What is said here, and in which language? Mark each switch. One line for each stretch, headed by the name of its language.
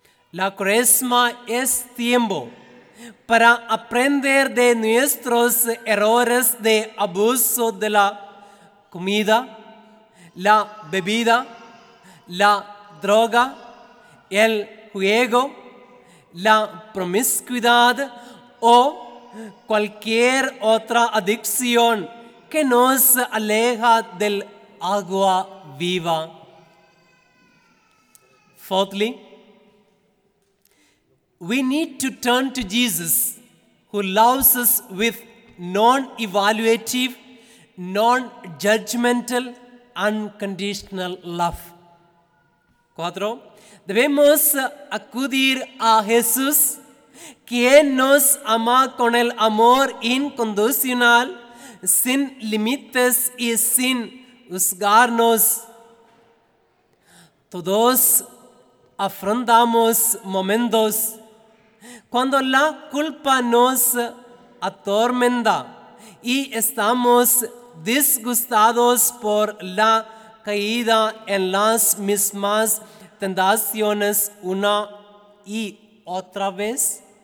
Spanish: La Cuaresma es tiempo para aprender de nuestros errores de abuso de la comida, la bebida, la droga, el juego, la promiscuidad o cualquier otra adicción que nos aleja del agua viva.
English: Fourthly, we need to turn to Jesus, who loves us with non-evaluative, non-judgmental, unconditional love.
Spanish: Cuatro, debemos acudir a Jesús, quien nos ama con el amor incondicional, sin límites y sin juzgarnos. Todos afrontamos momentos cuando la culpa nos atormenta y estamos disgustados por la caída en las mismas tentaciones una y otra vez.